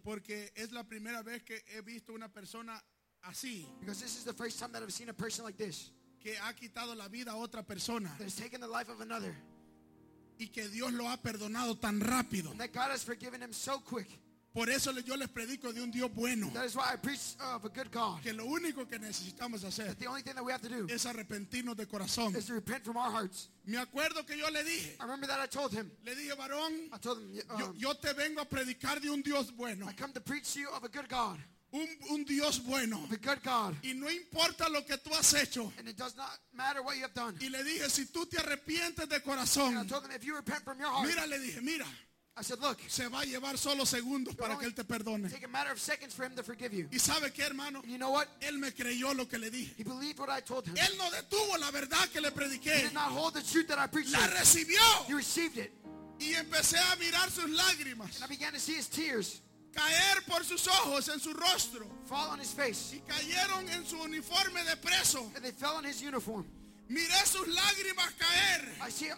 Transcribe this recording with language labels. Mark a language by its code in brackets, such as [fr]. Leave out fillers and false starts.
[es] Porque es la primera vez que he visto una persona así. [en] Because this is the first time that I've seen a person like this. [es] Que ha quitado la vida a otra persona. [en] That has taken the life of another. [es] Y que Dios lo ha perdonado tan rápido. [en] And that God has forgiven him so quick. [es] Por eso yo les predico de un Dios bueno. [en] That is why I preach of a good God. [es] Que lo único que necesitamos hacer. [en] That the only thing that we have to do. [es] Es arrepentirnos de corazón. [en] Is to repent from our hearts. [es] Me acuerdo que yo le dije. [en] I remember that I told him. [es] Le dije varón. [en] I told him. [es] Yo te vengo a predicar de un Dios bueno. [en] I come to preach to you of a good God. [es] Un Dios bueno. [en] Of a good God. [es] Y no importa lo que tú has hecho. [en] And it does not matter what you have done. [es] Y le dije si tú te arrepientes de corazón. [en] And I told him if you repent from your heart. [es] Mira, le dije, mira. [en] I said, look. [es] Se va a llevar solo segundos para que él te perdone. [en] Take a matter of seconds for him to forgive you. [es] ¿Y sabe qué, hermano? [en] You know what? [es] Él me creyó lo que le dije. [en] He believed what I told him. [es] Él no detuvo la verdad que le prediqué. [en] He did not hold the truth that I preached. [es] La recibió. [en] He received it. [es] Y empecé a mirar sus lágrimas. [en] And I began to see his tears. [es] Caer por sus ojos en su rostro. [en] Fall on his face. [es] Y cayeron en su uniforme de preso. [en] And they fell on his uniform. [es] Miré sus lágrimas caer.